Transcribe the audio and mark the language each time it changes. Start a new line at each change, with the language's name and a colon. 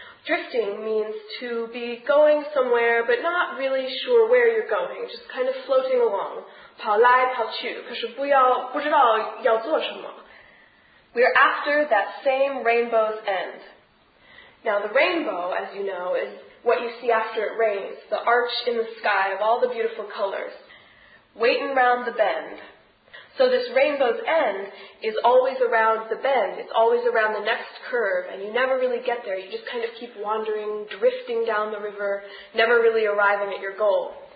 English: Drifting means to be going somewhere but not really sure where you're going, just kind of floating along.
Chinese: 跑来跑去可是不知道要做什么。
English: We're after that same rainbow's end. Now the rainbow, as you know, is what you see after it rains, the arch in the sky of all the beautiful colors. Waiting round the bend. So this rainbow's end is always around the bend. It's always around the next curve, and you never really get there. You just kind of keep wandering, drifting down the river, never really arriving at your goal.